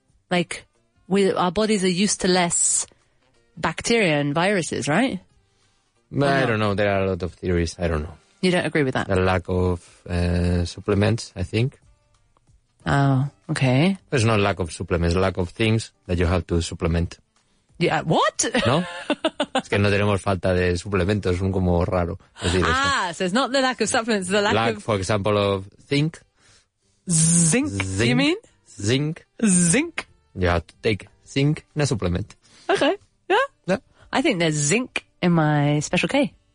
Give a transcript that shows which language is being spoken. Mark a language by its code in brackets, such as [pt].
[en] Like, our bodies are used to less bacteria and viruses, right? I don't know. There are a lot of theories. I don't know. You don't agree with that? The lack of supplements, I think. Oh, okay. There's no lack of supplements, lack of things that you have to supplement. Yeah, what? No. [es] Es que no tenemos falta de suplementos, es como raro decir eso. [en] Ah, so it's not the lack of supplements, the lack of... for example, of zinc. Zinc, you mean? Zinc. You have to take zinc in a supplement. Okay, yeah. Yeah. I think there's zinc in my Special K.